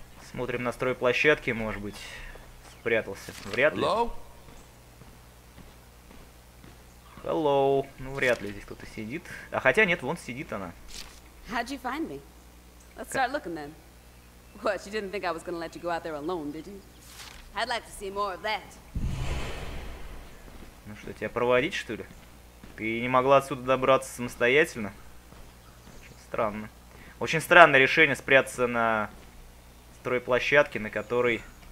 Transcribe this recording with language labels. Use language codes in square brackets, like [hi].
[ru] Смотрим настрой площадки, может быть. Прятался. Вряд ли. [en] Hello. [ru] Ну, вряд ли здесь кто-то сидит. А хотя нет, вон сидит она. [en] How'd you find me? Let's start looking then. What, you didn't think I was gonna let you go out there alone, did you? I'd like to see more of that. [ru] Ну что, тебя проводить, что ли? Ты не могла отсюда добраться самостоятельно? Странно. Очень странное решение спрятаться на стройплощадке, на которой...